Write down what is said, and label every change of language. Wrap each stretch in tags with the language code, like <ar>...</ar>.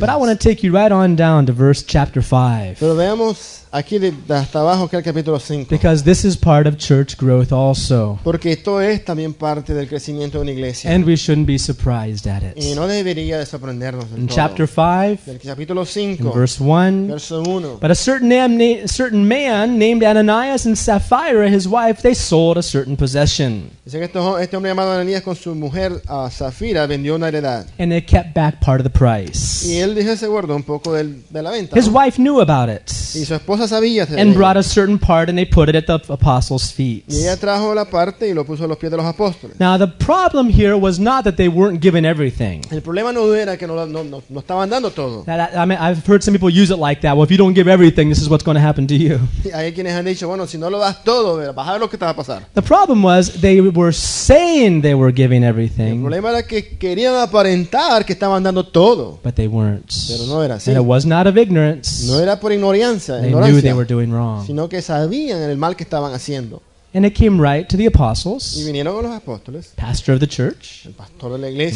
<en>But I want to take you right on down to verse chapter 5.</en> <es>Pero veamos aquí de hasta abajo que el capítulo 5.</es> <en>Because this is part of church growth also.</en> <es>Porque esto es también parte del crecimiento de una iglesia.</es> <en>And we shouldn't be surprised at it.</en> <es>Y no debería de sorprendernos.</es> <en>In chapter 5,</en> <es>del capítulo 5,</es> <en>in verse 1,</en> <es>verso 1.</es> <en>But a certain man named Ananias and Sapphira, his wife, they sold a certain possession.</en> <es>Dice que este hombre llamado Ananías con su mujer Sapphira vendió una heredad.</es> <en>And they kept back part of the price.</en> <es>Y él dijo se guardó un poco de la venta.</es> <en>His wife knew about it.</en> <es>Y su esposa esposa sabía</es> <en>and</en> <es>ella.</es> <en>Brought a certain part and they put it at the apostles' feet.</en> <es>Y ella trajo la parte y lo puso a los pies de los apóstoles.</es> <en>Now the problem here was not that they weren't given everything.</en> <es>El problema no era que no estaban dando todo.</es> <en>I've heard some people use it like that. Well, if you don't give everything, this is what's going to happen to you.</en> <es>Hay quienes han dicho, bueno, si no lo das todo, vas a ver lo que te va a pasar.</es> <en>The problem was they were saying they were giving everything.</en> <es>El problema era que querían aparentar que estaban dando todo.</es> <en>But they weren't.</en> <es>Pero no era así.</es> <en>And it was not of ignorance.</en> <es>No era por ignorancia.</es> <en>They knew they were doing wrong.</en> <es>Sino que sabían el mal que estaban haciendo.</es> <en>And it came right to the apostles.</en> <es>Y vinieron a los apóstoles.</es> <en>Pastor of the church.</en> <es>El pastor de la iglesia.</es>